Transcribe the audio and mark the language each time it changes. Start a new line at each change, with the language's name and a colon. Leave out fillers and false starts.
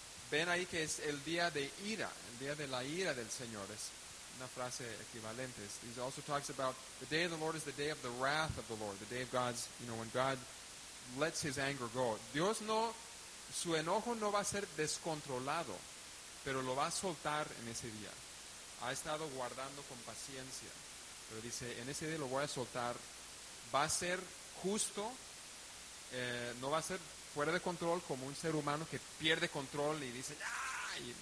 Spanish: Ven ahí que es el día de ira, el día de la ira del Señor. Es una frase equivalente.
English: He also talks about the day of the Lord is the day of the wrath of the Lord, the day of God's, you know, when God lets his anger go.
Spanish: Dios no, su enojo no va a ser descontrolado, pero lo va a soltar en ese día. Ha estado guardando con paciencia, pero dice, en ese día lo voy a soltar. Va a ser justo, no va a ser fuera de control, como un ser humano que pierde control y dice, ¡ay!